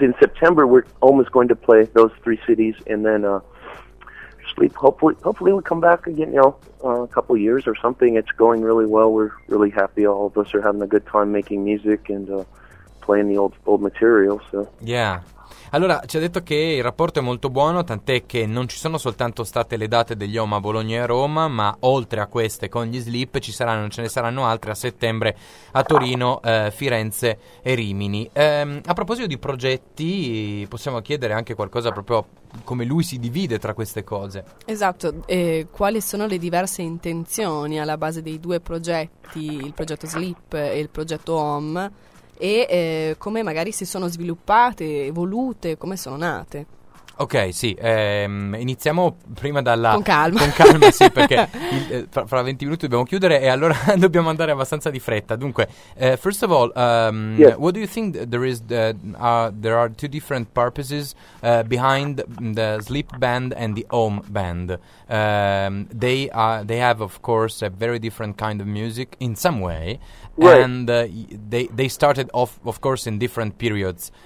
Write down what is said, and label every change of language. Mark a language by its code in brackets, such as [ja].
[en] In September, we're almost going to play those three cities, and then Sleep. Hopefully we come back again, a couple years or something. It's going really well. We're really happy. All of us are having a good time making music and playing the old material, so. Yeah. [it] Allora, ci ha detto che il rapporto è molto buono, tant'è che non ci sono soltanto state le date degli OHM a Bologna e a Roma, ma oltre a queste con gli Sleep ce ne saranno altre a settembre a Torino, Firenze e Rimini. A proposito di progetti, possiamo chiedere anche qualcosa proprio come lui si divide tra queste cose. Esatto, quali sono le diverse intenzioni alla base dei due progetti, il progetto Sleep e il progetto OHM? E come magari si sono sviluppate, evolute, come sono nate? Ok, sì, iniziamo prima dalla... Con calma, sì, perché fra 20 minuti dobbiamo chiudere e allora dobbiamo andare abbastanza di fretta. [en] Dunque, first of all, yes. What do you think there is? There are two different purposes behind the Sleep band and the OHM band. They have, of course, a very different kind of music in some way. Right. And they started off, of course, in different periods.